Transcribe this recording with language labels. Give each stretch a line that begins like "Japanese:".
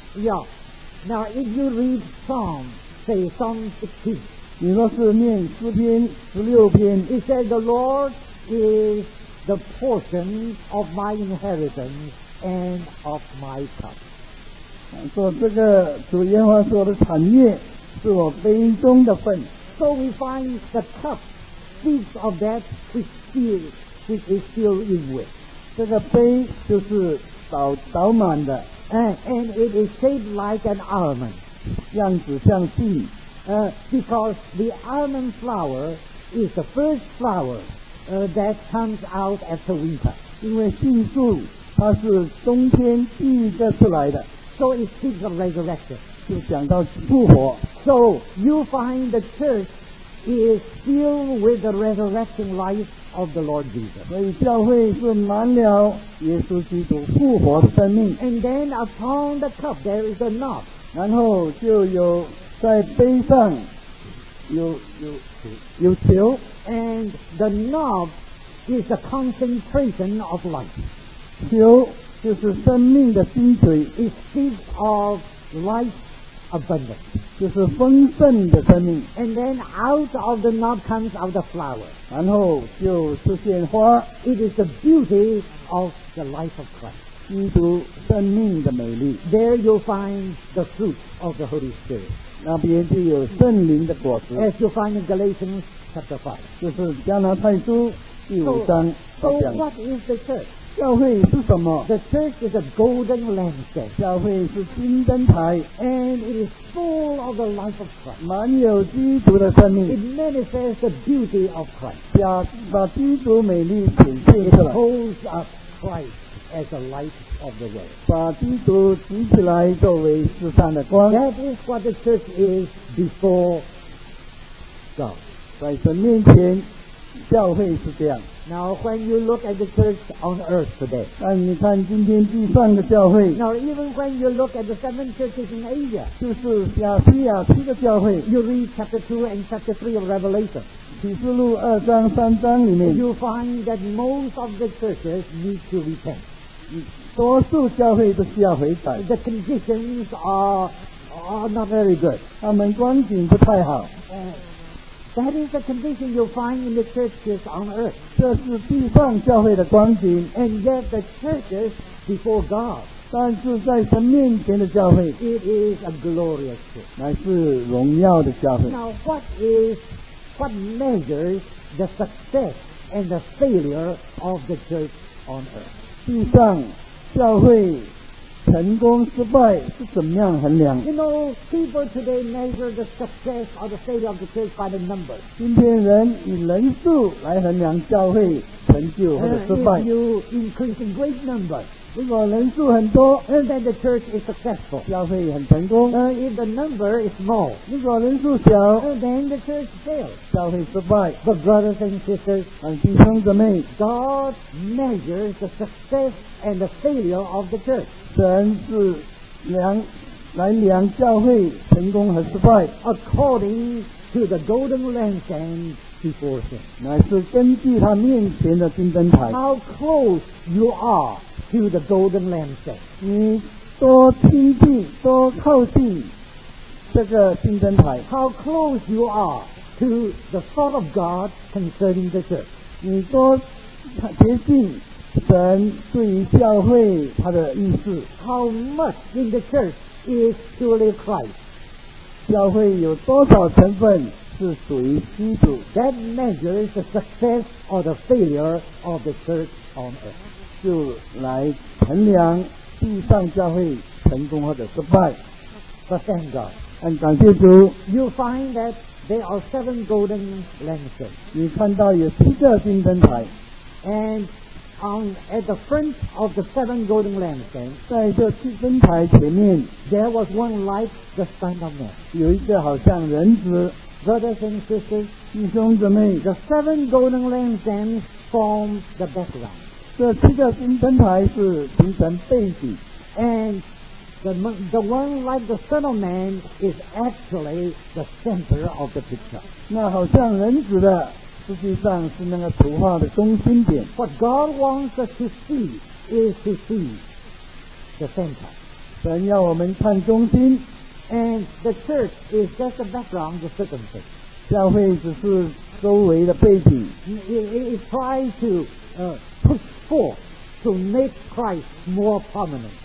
English: Yeah. Now, if you read Psalm, say Psalm 16.
Chinese: 你若是念诗篇十六篇
English: It says, the Lord is the portion of my inheritance and of my cup.
Chinese: 说这个主耶和华说的产业是我杯中的份。
English: So we find the cup speaks of that which is. Which is still in with.
Chinese: 这个杯就是倒满的
English: and it is shaped like an almond.
Chinese: 样子像杏
English: because the almond flower is the first flower that comes out after winter.
Chinese: 因为杏树它是冬天第一个出来的
English: So it speaks of resurrection.
Chinese: 就讲到复活
English: So you find the church is still with the resurrection lifeOf the Lord Jesus.
Chinese: 所以教会是满了耶稣基督复活的生命。
English: And then upon the cup there is a knob.
Chinese: 然后就有在杯上有球。
English: And the knob is the concentration of life.
Chinese: 球就是生命的精髓。
English: It speaks of life abundance.
Chinese: 就是丰盛的生命
English: and then out of the knob comes out the flower
Chinese: 然后就出现花
English: it is the beauty of the life of Christ
Chinese: 基督生命的美丽
English: there you'll find the fruit of the Holy Spirit
Chinese: 那边就有圣灵的果实
English: as you find in Galatians chapter 5
Chinese: 就是加拿太书第五章
English: so what is the church?
Chinese: 教会是什么
English: the church is a golden lampstand
Chinese: 教会是金灯台
English: and it isfull of the life of Christ
Chinese: 满有基督的生命
English: it manifests the beauty of Christ
Chinese: 把基督美丽显现出来
English: it holds up Christ as the light of the world
Chinese: 把基督举起来作为世上的光
English: that is what the church is before God
Chinese: 在神面前教会是这样。
English: Now when you look at the church on earth today,
Chinese: 但你看今天地上的教会。
English: Now even when you look at the seven churches in Asia,
Chinese: 就是亚细亚七个教会。
English: You read chapter 2 and chapter 3 of Revelation.
Chinese: 启示录二章三章里面。
English: You find that most of the churches need to repent.
Chinese: 多数教会都需要悔改。
English: The conditions are not very good.
Chinese: 他们光景不太好。
English: That is the condition you'll find in the churches on earth.
Chinese: 这是地上教会的光景。
English: And yet the churches before God.
Chinese: 但是在神面前的教会。
English: It is a glorious church.
Chinese: 乃是荣耀的教会。
English: Now what measures the success and the failure of the church on earth?
Chinese: 地上教会成功失败是怎么样衡量？
English: You know, people today measure the success or the failure of the church by the number.
Chinese: 今天人以人数来衡量教会成就或者失败。
English: If you increase in great number,
Chinese: 如果人数很多，
English: then the church is successful.
Chinese: 教会很成功。
English: If the number is small,
Chinese: 如果人数小，
English: then the church fails.
Chinese: 教会失败。
English: But brothers and sisters,
Chinese: 弟兄姊妹，
English: God measures the success and the failure of the church.
Chinese: 神是来量教会成功和失败。
English: According to the golden lampstand before him,
Chinese: 乃是根据他面前的金灯台。
English: How close you are to the golden lampstand?
Chinese: 你多亲近、多靠近这个金灯台。
English: How close you are to the thought of God concerning the church?
Chinese: 你多接近。神对于教会他的意思。
English: How much in the church is truly Christ?
Chinese: 教会有多少成分是属于基督？
English: That measures the success or the failure of the church on earth.
Chinese: 就来衡量地上教会成功或者失败。
English: But thank God.
Chinese: 感谢主。
English: You find that there are seven golden lampstands.
Chinese: 你看到有七个金灯台。
English: AndAt the front of the seven golden lampstands,
Chinese: 在这七根台前面
English: there was one like the Son of Man.
Chinese: 有一个好像人子
English: Brothers and sisters,
Chinese: 弟兄姊妹
English: the seven golden lampstands form the background.
Chinese: 这七个金灯台是形成背景
English: And the one like the Son of Man is actually the center of the picture.
Chinese: 那好像人子的实际上是那个图画的中心点。
English: What God wants us to see is to see the center.
Chinese: 神要我们看中心。
English: And the church is just the background, the circumstance.
Chinese: 教会只是周围的背景。
English: It tries to push forth to make Christ more prominent.